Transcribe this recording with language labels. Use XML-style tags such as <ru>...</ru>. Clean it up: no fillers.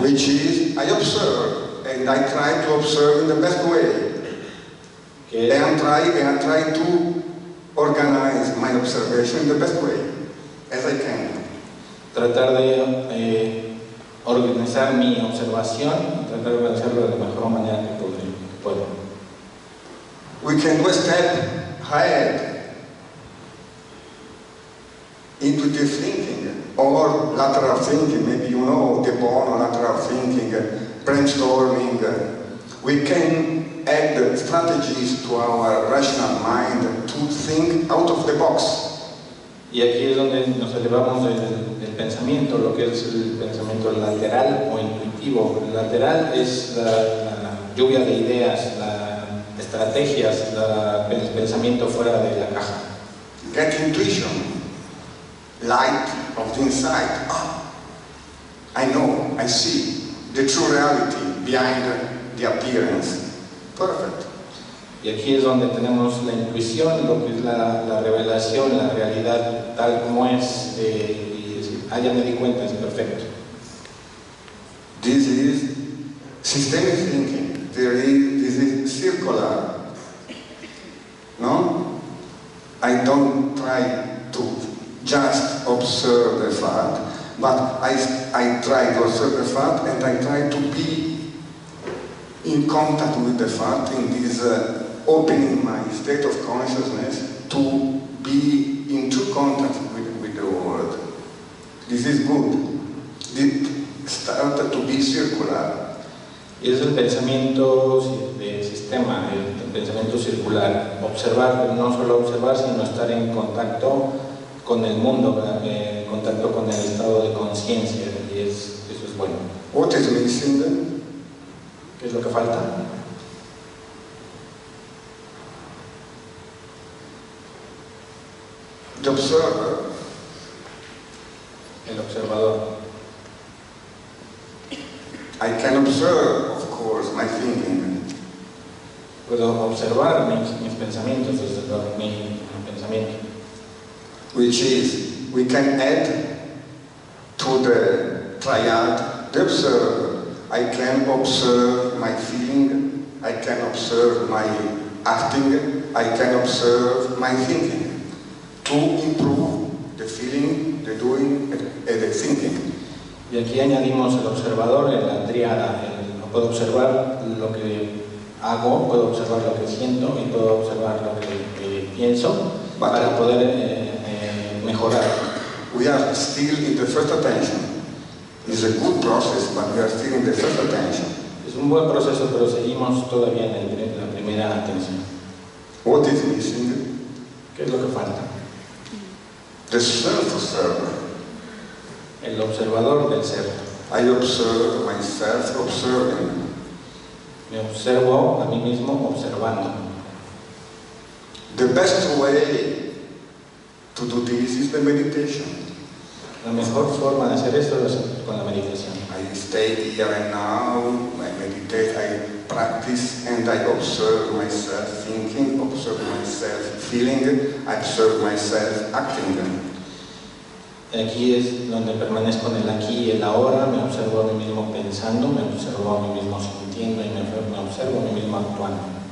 <en>Which is, I observe, and I try to observe in the best way. And I try to organize my observation in the best way, as I can.</en> <es>Tratar de organizar mi observación, tratar de hacerlo de la mejor manera que puedo.</es> <en>We can go a step ahead into the thinking, or lateral thinking, maybe you know the Bono lateral thinking, brainstorming. We can add strategies to our rational mind to think out of the box.</en> <es>Y aquí es donde nos elevamos del pensamiento, lo que es el pensamiento lateral o intuitivo. El lateral es la lluvia de ideas, las estrategias, el pensamiento fuera de la caja.</es> <en>Get intuition, light of the inside. I know, I see the true reality behind the appearance. Perfect.</en> <es>Y aquí es donde tenemos la intuición, lo que es la revelación, la realidad tal como es, y ya me di cuenta, es perfecto.</es> <en>This is systemic thinking. This is circular. No? I don't try to just observe the fact, but I try to observe the fact and I try to be in contact with the fact in this opening my state of consciousness to be in true contact with the world. This is good. It started to be circular.</en> <es>Y es el pensamiento de sistema, el pensamiento circular. Observar, no solo observar, sino estar en contacto con el mundo, en contacto con el estado de conciencia. Y eso es bueno.</es> <en>What is missing?</en> <es>¿Qué es lo que falta?</es> <en>The observer.</en> <es>El observador.</es> <en>I can observe, of course, my thinking.</en> <es>Puedo observar mis pensamientos, desde mi pensamiento.</es> <en>Which is, we can add to the triad, the observer. I can observe my feeling, I can observe my acting, I can observe my thinking. To improve the feeling, the doing, and the thinking.</en> <es>Y aquí añadimos el observador en la triada. Puedo observar lo que hago, puedo observar lo que siento y puedo observar lo que pienso para poder mejorar.</es> <en>We are still in the first attention. It's a good process, but we are still in the first attention.</en> <es>Es un buen proceso, pero seguimos todavía en la primera atención.</es> <en>What is missing?</en> <es>¿Qué es lo que falta?</es> <en>The self-observer.</en> <es>El observador del ser.</es> <en>I observe myself observing.</en> <es>Me observo a mí mismo observando.</es> <en>The best way to do this is the meditation.</en> <es>La mejor forma de hacer esto es con la meditación.</es> <en>I stay here and now, I meditate, I practice, and I observe myself thinking, observe myself feeling, I observe myself acting.</en> <es>Aquí es donde permanezco en el aquí y el ahora, me observo a mí mismo pensando, me observo a mí mismo sintiendo y me observo a mí mismo actuando.</es>